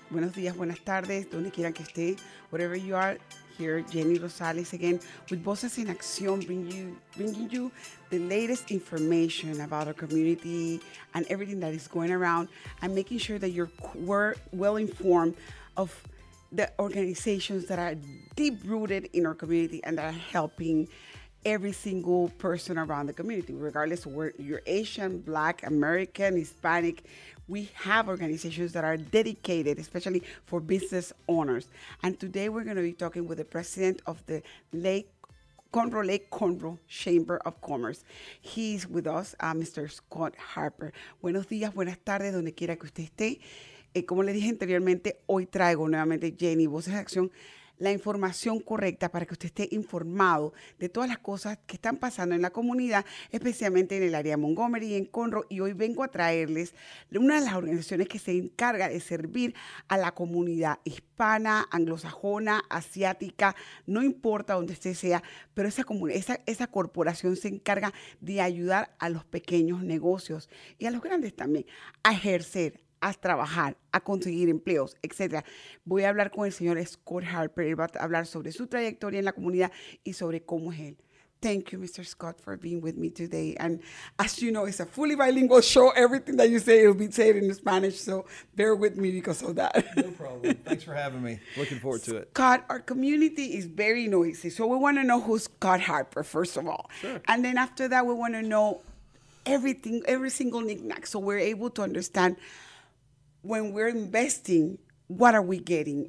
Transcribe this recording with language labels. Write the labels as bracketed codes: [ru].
[es] Buenos días, buenas tardes, donde quiera que esté. [en] Wherever you are, here Jenny Rosales again with Voces en Acción, bringing you the latest information about our community and everything that is going around, and making sure that you're well informed of the organizations that are deep rooted in our community and that are helping every single person around the community, regardless of where you're Asian, Black, American, Hispanic. We have organizations that are dedicated, especially for business owners. And today we're going to be talking with the president of the Lake Conroe Chamber of Commerce. He's with us, Mr. Scott Harper. [es] Buenos días, buenas tardes, donde quiera que usted esté. Como le dije anteriormente, hoy traigo nuevamente Jenny, Voces de Acción, la información correcta para que usted esté informado de todas las cosas que están pasando en la comunidad, especialmente en el área de Montgomery y en Conroe. Y hoy vengo a traerles una de las organizaciones que se encarga de servir a la comunidad hispana, anglosajona, asiática, no importa dónde usted sea, pero esa corporación se encarga de ayudar a los pequeños negocios y a los grandes también a ejercer, a trabajar, a conseguir empleos, etcétera. Voy a hablar con el señor Scott Harper. Él va a hablar sobre su trayectoria en la comunidad y sobre cómo es él. [en] Thank you, Mr. Scott, for being with me today. And as you know, it's a fully bilingual show. Everything that you say will be said in Spanish. So bear with me because of that. No problem. Thanks for having me. Looking forward to it. Scott, our community is very noisy. So we want to know who's Scott Harper, first of all. Sure. And then after that, we want to know everything, every single knickknack, so we're able to understand when we're investing, what are we getting?